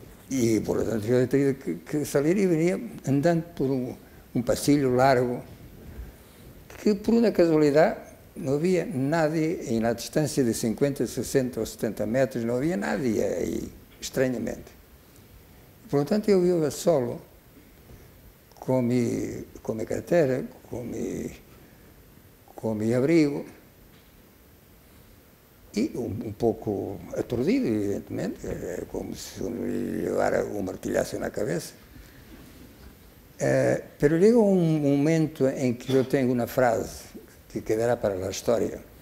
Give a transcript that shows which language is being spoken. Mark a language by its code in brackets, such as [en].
[es] Y por lo tanto, yo he tenido que salir y venía andando por un pasillo largo que por una casualidad no había nadie en la distancia de 50, 60 o 70 metros. No había nadie ahí. [pt] Estranhamente. Portanto, eu vivo solo, com a minha carteira, com o meu abrigo, [es] y un poco aturdido, evidentemente, como si uno llevara un martillazo en la cabeza. Pero llega un momento en que yo tengo una frase que quedará para la historia.